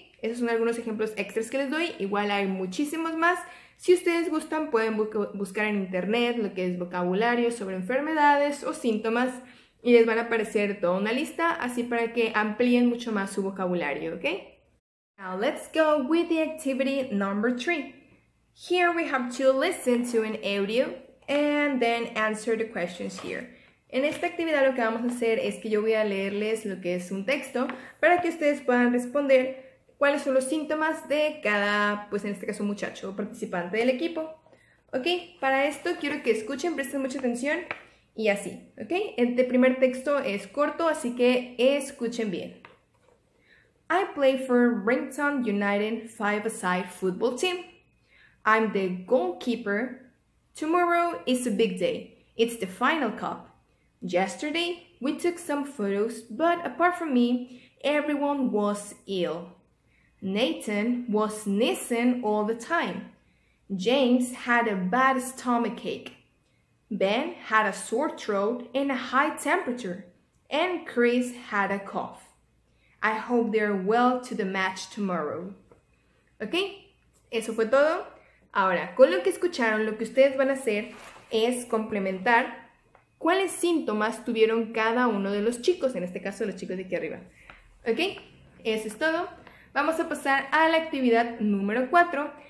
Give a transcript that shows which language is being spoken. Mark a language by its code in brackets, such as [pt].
[es] Esos son algunos ejemplos extras que les doy. Igual hay muchísimos más. Si ustedes gustan, pueden buscar en internet lo que es vocabulario sobre enfermedades o síntomas y les van a aparecer toda una lista, así para que amplíen mucho más su vocabulario. [en] ¿Ok? Now let's go with the activity number 3. Here we have to listen to an audio and then answer the questions here. [es] En esta actividad lo que vamos a hacer es que yo voy a leerles lo que es un texto para que ustedes puedan responder cuáles son los síntomas de cada, pues en este caso muchacho, participante del equipo. Ok, para esto quiero que escuchen, presten mucha atención y así, ok. Este primer texto es corto, así que escuchen bien. [en] I play for Ringtown United five-a-side football team. I'm the goalkeeper. Tomorrow is a big day. It's the final cup. Yesterday, we took some photos, but apart from me, everyone was ill. Nathan was sneezing all the time. James had a bad stomach ache. Ben had a sore throat and a high temperature. And Chris had a cough. I hope they're well to the match tomorrow. [es] Ok, eso fue todo. Ahora, con lo que escucharon, lo que ustedes van a hacer es complementar cuáles síntomas tuvieron cada uno de los chicos, en este caso los chicos de aquí arriba. Ok, eso es todo. Vamos a pasar a la actividad número 4.